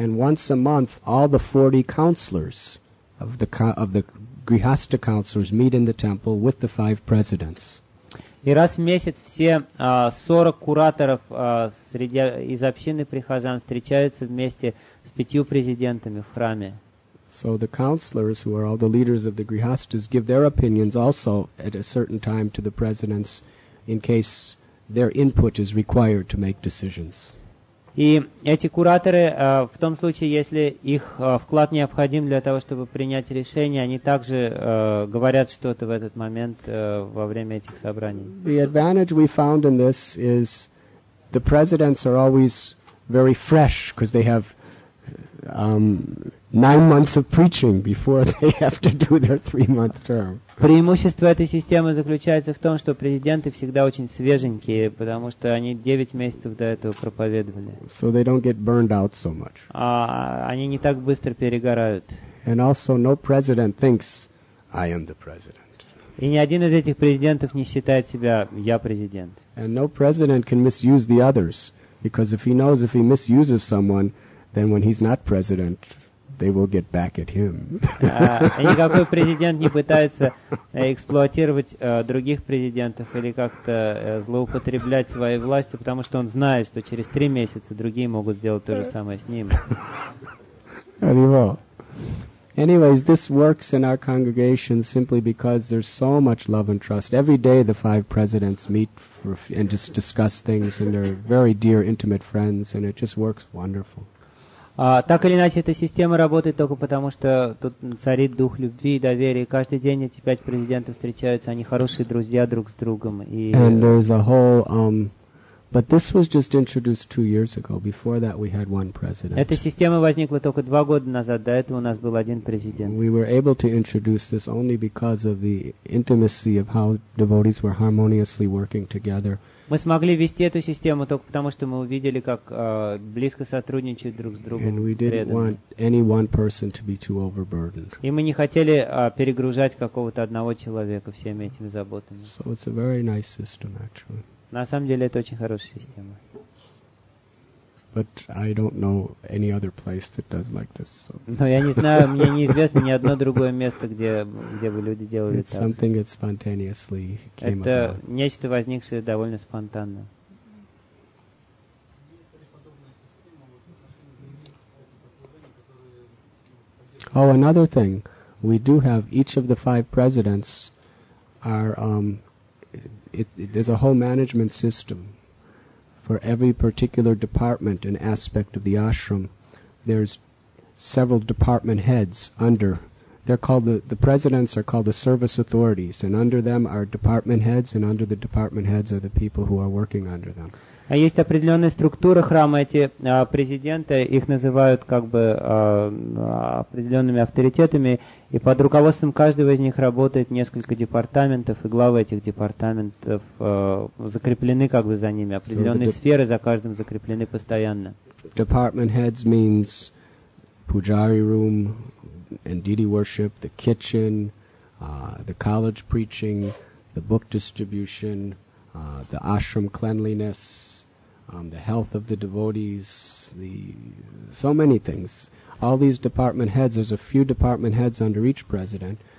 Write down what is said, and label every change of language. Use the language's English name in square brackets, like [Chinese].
[English] And once a month, all the 40 counselors of the Grihastha counselors meet in the temple with the 5 presidents. [Russian] И раз в месяц все 40 кураторов среди из общины прихожан встречаются вместе с 5 президентами в храме. [English] So the counselors, who are all the leaders of the Grihasthas, give their opinions also at a certain time to the presidents, in case their input is required to make decisions. [Russian] И эти кураторы, в том случае, если их вклад необходим для того, чтобы принять решение, они также говорят что-то в этот момент во время этих собраний. [English] The advantage we found in this is the presidents are always very fresh because they have 9 months of preaching before they have to do their 3-month term. [Russian] Преимущество этой системы заключается в том, что президенты всегда очень свеженькие, потому что они 9 месяцев до этого проповедовали. [English] So they don't get burned out so much. [Russian] Они не так быстро перегорают. [English] And also no president thinks I am the president. [Russian] И ни один из этих президентов не считает себя я президент. [English] And no president can misuse the others, because if he knows if he misuses someone, then when he's not president, they will get back at him. [Russian] Никакой президент не пытается эксплуатировать других президентов или как-то злоупотреблять своей властью, потому что он знает, что через 3 месяца другие могут сделать то же самое с ним. [English] Anyways, this works in our congregation simply because there's so much love and trust. Every day the 5 presidents meet and just discuss things, and they're very dear, intimate friends, and it just works wonderful. [Russian] Так или иначе, эта система работает только потому, что тут царит дух любви и доверия. И каждый день эти 5 президентов встречаются, они хорошие друзья друг с другом. И [English] and there's a whole, but this was just introduced 2 years ago. Before that, we had one president. [Russian] Эта система возникла только 2 года назад. До этого у нас был один президент. [English] We were able to introduce this only because of the intimacy of how devotees were harmoniously working together. [Russian] Мы смогли вести эту систему только потому, что мы увидели, как близко сотрудничают друг с другом. [English] And we didn't want any one person to be too overburdened. [Russian] И мы не хотели перегружать какого-то одного человека всеми этими заботами. [English] So it's a very nice system, actually. [Russian] На самом деле это очень хорошая система. [English] But I don't know any other place that does like this. So. [Russian] Но я не знаю, мне неизвестно ни одно другое место, где бы люди делали [English] it's [Russian] так. [English] Something that spontaneously came [Russian] это [English] about. [Russian] Нечто, возникшее довольно спонтанно. [English] Oh, another thing. We do have each of the 5 presidents are there's a whole management system. For every particular department and aspect of the ashram, there's several department heads under. They're called the presidents are called the service authorities, and under them are department heads, and under the department heads are the people who are working under them. [Russian] А есть определенная структура храма, эти президенты, их называют как бы определенными авторитетами, и под руководством каждого из них работает несколько департаментов, и главы этих департаментов закреплены как бы за ними, определенные сферы за каждым закреплены постоянно. [English] Department heads means pujari room and deity worship, the kitchen, the college preaching, the book distribution, the ashram cleanliness, the health of the devotees, so many things. All these department heads, there's a few department heads under each president,